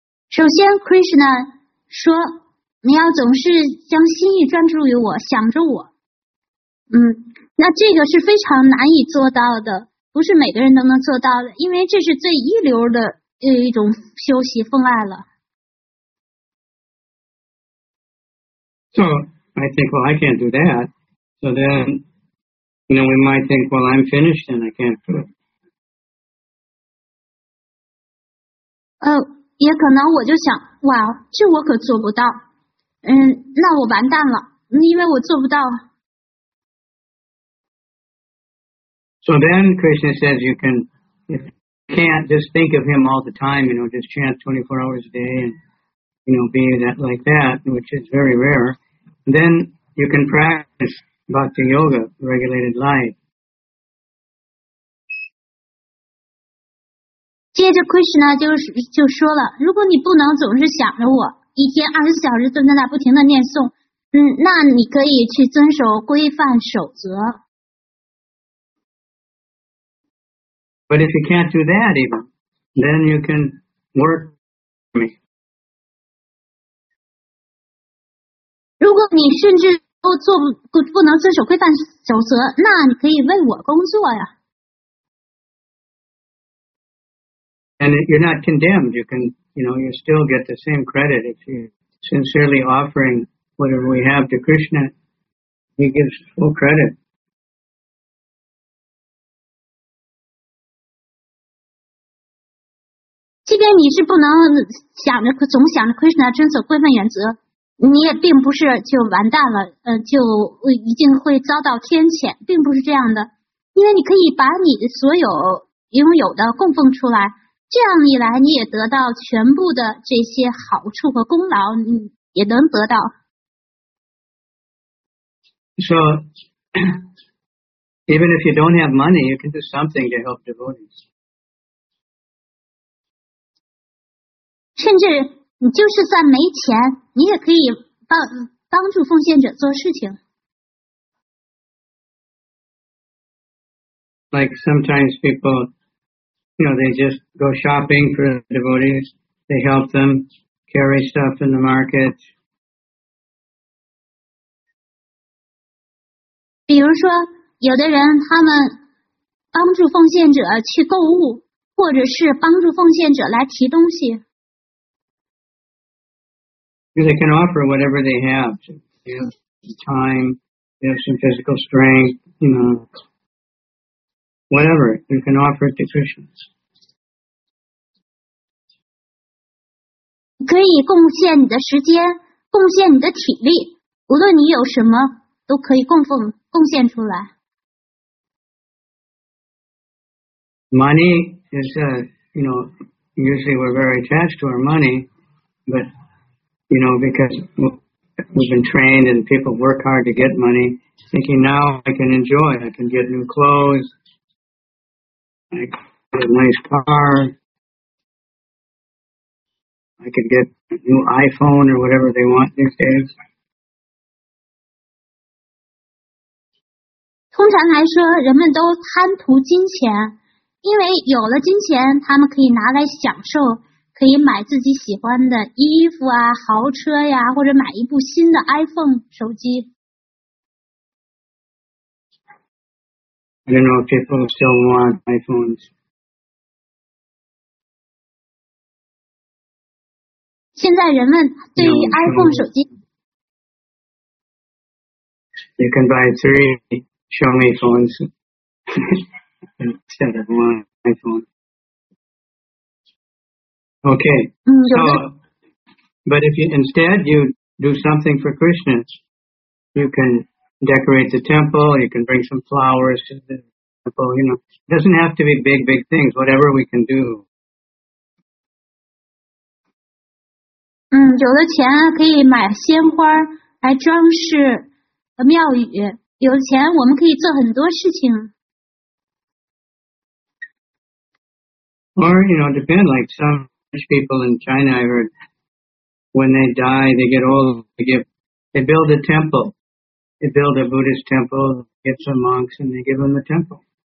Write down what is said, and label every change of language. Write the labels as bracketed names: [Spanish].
[Chinese] 首先 Krishna 说你要总是将心意专注于我，想着我，那这个是非常难以做到的，不是每个人都能做到的，因为这是最一流的一种修习奉爱了。 [English] So I think, well, I can't do that. So then, you know, we might think, well, I'm finished and I can't do it. [Chinese] 也可能我就想，哇，这我可做不到。那我完蛋了，因为我做不到。 [English] So then Krishna says you can, if you can't, just think of him all the time, you know, just chant 24 hours a day and, you know, be that like that, which is very rare. Then you can practice bhakti yoga, regulated life. [Chinese] 接着 Krishna 就说了，如果你不能总是想着我，一天二十小时都在那不停的念诵，那你可以去遵守规范守则。 [English] But if you can't do that even, then you can work for me. [Chinese] 如果你甚至不能遵守规范守则，那你可以为我工作呀。 [English] And you're not condemned. You can, you know, you still get the same credit if you're sincerely offering whatever we have to Krishna. He gives full credit. [Chinese] 即便你是不能想着总想着 Krishna 遵守规范原则，你也并不是就完蛋了，就一定会遭到天谴，并不是这样的，因为你可以把你所有拥有的供奉出来。这样一来，你也得到全部的这些好处和功劳，你也能得到。 [English] So, even if you don't have money, you can do something to help devotees. [Chinese] 甚至你就是在没钱，你也可以帮助奉献者做事情。 [English] Like sometimes people. You know, they just go shopping for devotees. They help them carry stuff in the market. [Chinese] 比如说，有的人他们帮助奉献者去购物，或者是帮助奉献者来提东西。 [English] They can offer whatever they have. They have time, they have some physical strength, you know, whatever. You can offer it to Christians. [Chinese] 可以贡献你的时间，贡献你的体力，无论你有什么，都可以贡献出来。 [English] Money is, you know, usually we're very attached to our money, but, you know, because we've been trained and people work hard to get money, thinking now I can enjoy, I can get new clothes, I can get a nice car, I can get a new iPhone or whatever they want these days. [Chinese] 通常来说，人们都贪图金钱，因为有了金钱，他们可以拿来享受，可以买自己喜欢的衣服啊、豪车呀，或者买一部新的 iPhone 手机。 [English] I don't know if people still want iPhones. [Chinese] 现在人们对于 iPhone 手机 [English] ，You can buy three. Xiaomi phones instead of one iPhone. Okay. So, but if you instead you do something for Christians, you can decorate the temple, you can bring some flowers to the temple, you know. It doesn't have to be big, big things, whatever we can do. [Chinese] 有的钱可以买鲜花来装饰庙宇。有钱我们可以做很多事情。 [English] Or, you know, depend, like some rich people in China, I heard, when they die, they get old, they build a temple. They build a Buddhist temple, get some monks, and they give them the temple.